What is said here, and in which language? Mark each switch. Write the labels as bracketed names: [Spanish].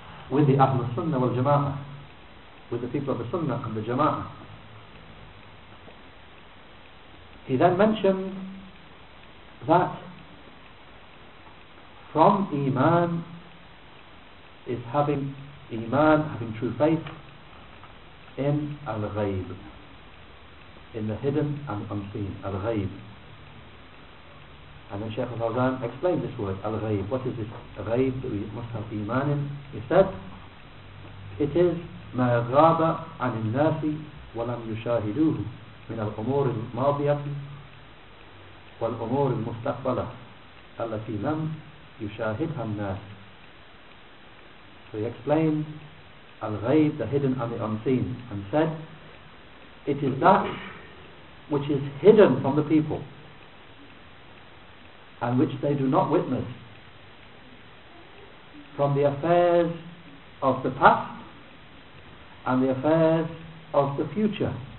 [English] with the Ahlul Sunnah wal Jama'ah, with the people of the Sunnah and the Jama'ah, he then mentioned that from Iman is having Iman, having true faith in Al-Ghayb, in the hidden and unseen, Al-Ghayb. And then Shaykh al-Fawzan explained this word, Al-Ghayb. What is this Ghayb that we must have Iman in? He said, it is [Arabic] مَا غَابَ عَنِ النَّاسِ وَلَمْ يُشَاهِدُوهُ مِنَ الْأُمُورِ الْمَاضِيَةِ والأمور المستقبلة التي لم يشاهدها الناس. [English] So he explained Al-Ghayb, the hidden and the unseen, and said, it is that which is hidden from the people and which they do not witness, from the affairs of the past and the affairs of the future,